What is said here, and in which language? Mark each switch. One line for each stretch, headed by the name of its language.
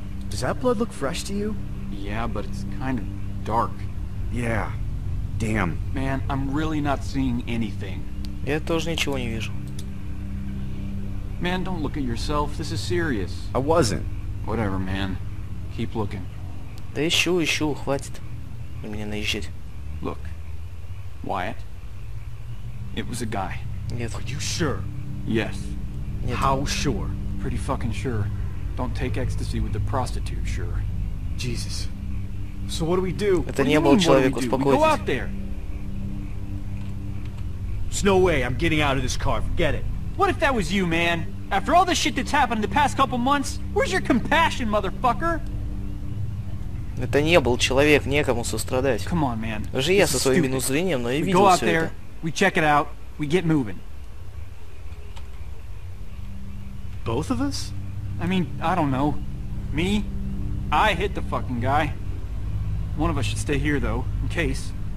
English: Does that blood look fresh to you? Yeah, but it's kind of dark. Yeah. Damn. Man, I'm really not seeing anything.
Russian: Я тоже ничего не вижу.
English: Man, don't look at yourself. This is serious. I wasn't. Whatever, man. Keep looking.
Russian: Да ищу, ищу, хватит на меня наезжать.
English: Look, Wyatt, it was a guy.
Russian: Нет.
English: Are you sure? Yes.
Russian: Нет.
English: How sure? Pretty fucking sure. Don't take ecstasy with the prostitute, sure. Jesus. So what do we do?
Russian: Это не был человек, успокойтесь.
English: We go out there. There's no way I'm getting out of this car, forget it. What if that was you, man? After all the shit that's happened in the past couple months, where's your compassion, motherfucker?
Russian: Это не был человек, некому сострадать.
English: Come on, man.
Russian: Даже я со своим минус зрением, но и видел все это.
English: There, we check it out, we get moving. Both of us? I mean, I don't know. Me? I hit the fucking guy. One of us should stay here, though, in case.